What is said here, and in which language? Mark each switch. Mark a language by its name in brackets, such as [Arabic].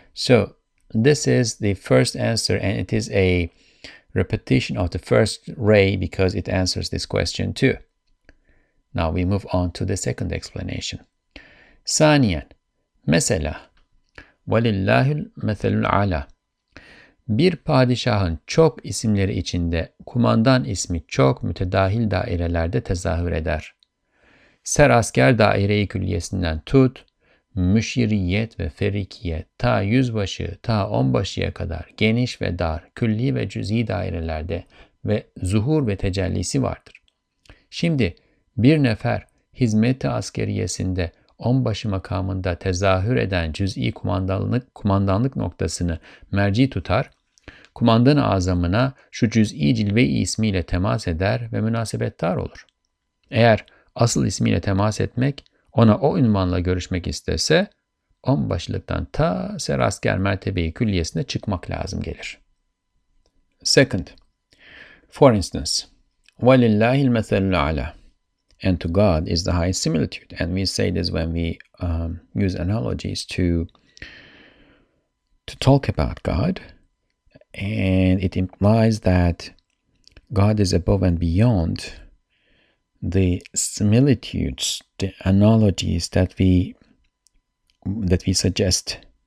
[English] So this is the first answer, and it is a repetition of the first ray because it answers this question too. Now we move on to the second explanation. [Turkish] Saniyan, mesela, [Arabic] وَلِلَّهِ الْمَثَلُ الْعَلَى. [Turkish] Bir padişahın çok isimleri içinde kumandan ismi çok mütedahil dairelerde tezahür eder. Ser asker daire-i külliyesinden tut, müşiriyet ve ferikiyet ta yüzbaşı ta onbaşıya kadar geniş ve dar, külli ve cüz'i dairelerde ve zuhur ve tecellisi vardır. Şimdi bir nefer hizmet-i askeriyesinde onbaşı makamında tezahür eden cüz'i kumandanlık noktasını merci tutar, kumandan-ı azamına şu cüz'i cilve-i ismiyle temas eder ve münasebettar olur. Eğer asıl ismiyle temas etmek, ona o ünvanla görüşmek istese, onbaşılıktan ta serasker mertebeyi külliyesine çıkmak lazım gelir. [English] Second, for instance, [Arabic] وَلِلَّهِ الْمَثَلُ الْعَلَى. [English] And to God is the highest similitude. And we say this when we use analogies to talk about God. And it implies that God is above and beyond the similitudes, the analogies that we suggest.